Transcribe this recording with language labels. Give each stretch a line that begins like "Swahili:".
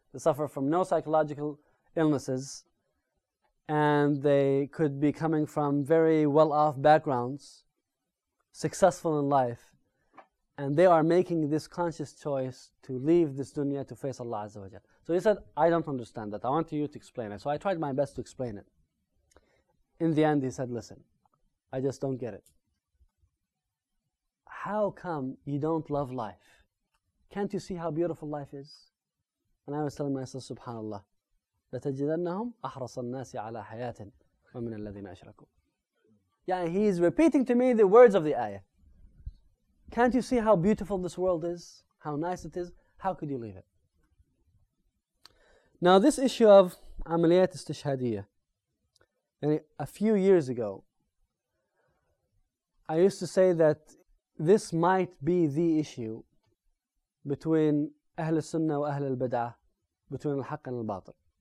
English: They suffer from no psychological illnesses, and they could be coming from very well-off backgrounds, successful in life, and they are making this conscious choice to leave this dunya to face Allah Azza wa Jalla. So he said, "I don't understand that. I want you to explain it." So I tried my best to explain it. In the end, he said, "Listen, I just don't get it. How come you don't love life? Can't you see how beautiful life is?" And I was telling myself, subhanAllah,
Arabic: لَتَجِدَنَّهُمْ أَحْرَصَ النَّاسِ عَلَىٰ حَيَاةٍ وَمِنَ الَّذِينَ أَشْرَكُوا.
English: Yeah, he's repeating to me the words of the ayah. Can't you see how beautiful this world is? How nice it is? How could you leave it? Now, this issue of amaliyat istishhadiyya, a few years ago, I used to say that this might be the issue between Ahl al-Sunnah and Ahl al-Bid'ah, between al-Haqq and al-Batil.